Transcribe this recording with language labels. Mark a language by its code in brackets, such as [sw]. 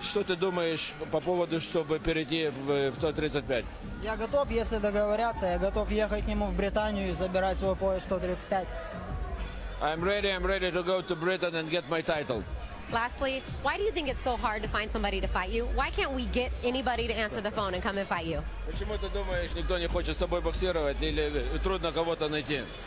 [ru] Что ты думаешь по поводу, чтобы перейти в 135? Я готов, если договорятся, я готов ехать к нему в Британию и забирать свой пояс 135. [en] I'm ready to go to Britain and get my title. Lastly, why do you think it's so hard to find somebody to fight you? Why can't we get anybody to answer the phone and come and fight you? [ru] Почему ты думаешь, никто не хочет с тобой боксировать или трудно кого-то найти?